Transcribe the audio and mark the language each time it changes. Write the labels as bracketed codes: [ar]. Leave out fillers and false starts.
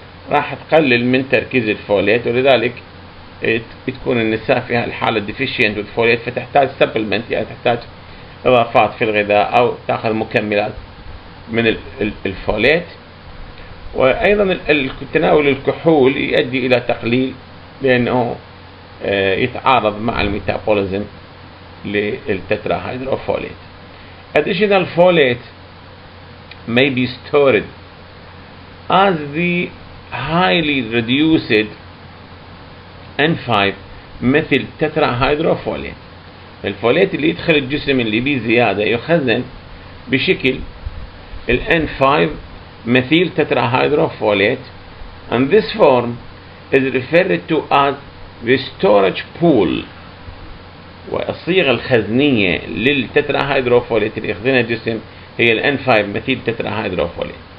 [ar] راح تقلل من تركيز الفوليت، ولذلك بتكون النساء فيها الحالة [en] deficient with folate [ar] فتحتاج supplement، يعني تحتاج إضافات في الغذاء أو تأخذ مكملات من الفوليت. وأيضا التناول الكحول يؤدي إلى تقليل، لأنه يتعارض مع الميتابوليزم للتترا هيدروفوليت. [en] Additional folate may be stored as the highly reduced N5 [ar] مثل تترا هيدروفوليت. الفوليت اللي يدخل الجسم اللي بيه زيادة يخزن بشكل ال N5 مثيل تترا هيدروفوليت. [en] And this form is referred to as the storage pool. [ar] والصيغة الخزنية للتترا هيدروفوليت اللي يخزنها الجسم هي ال N5 مثيل تترا هيدروفوليت.